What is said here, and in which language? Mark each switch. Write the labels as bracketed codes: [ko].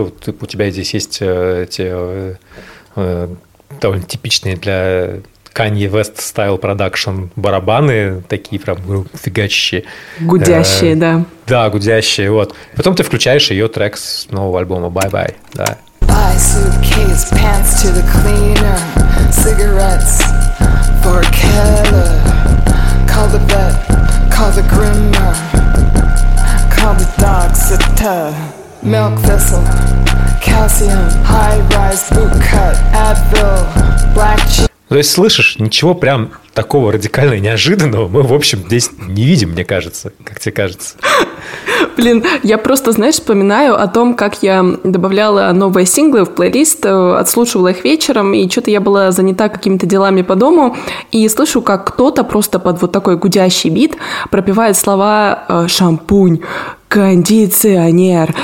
[ru] Вот у тебя здесь есть эти довольно типичные для Kanye West Style Production барабаны, такие прям фигачащие. Гудящие, да. Да, гудящие, вот. Потом ты включаешь ее трек с нового альбома «Bye-bye», да. [en] Buy suitcase, pants to the cleaner, cigarettes for Keller. Call the vet, call the groomer. Call the dog sitter, milk thistle, calcium, high-rise boot cut, Advil, black cheese. [ru] То есть, слышишь, ничего прям такого радикально неожиданного мы, в общем, здесь не видим, мне кажется, как тебе кажется. Блин, я просто, знаешь, вспоминаю о том, как я добавляла новые синглы в плейлист, отслушивала их вечером, и что-то я была занята какими-то делами по дому, и слышу, как кто-то просто под вот такой гудящий бит пропевает слова «шампунь», кондиционер.